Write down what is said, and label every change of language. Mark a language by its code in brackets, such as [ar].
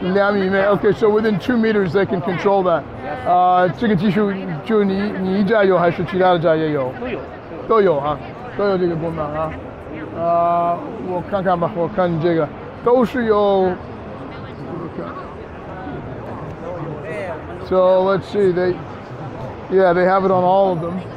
[en] Okay, so within 2 meters they can control that. [zh] 这个技术就你家有还是其他的家也有？都有啊，都有这个功能啊。我看看吧，我看你这个，都是有。 [en] So let's see, they have it on all of them.